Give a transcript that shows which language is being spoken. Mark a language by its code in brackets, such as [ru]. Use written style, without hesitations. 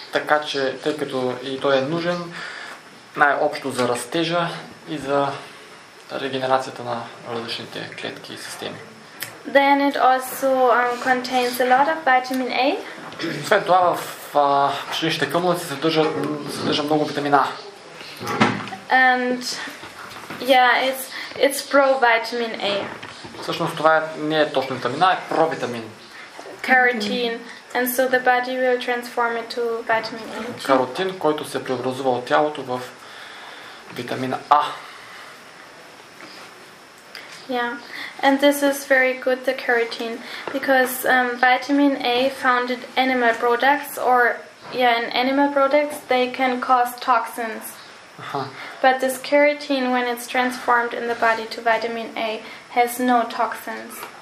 [bg] Така че, тъй като и той е нужен най-общо за растежа и за регенерацията на различните клетки и системи. [en] Then it also contains a lot of vitamin A. [bg] Освен това, в пшеничните кълнуци се съдържа много витамина. [en] And yeah, it's pro-vitamin A. [bg] Всъщност това не е точно витамина, а е провитамин. [en] Carotene. And so the body will transform it to vitamin A. [bg] Каротин, който се преобразува от тялото в витамин А. [en] Yeah, and this is very good, the carotene, because vitamin A found in animal products, or yeah, in animal products, they can cause toxins. But this carotene, when it's transformed in the body to vitamin A, has no toxins.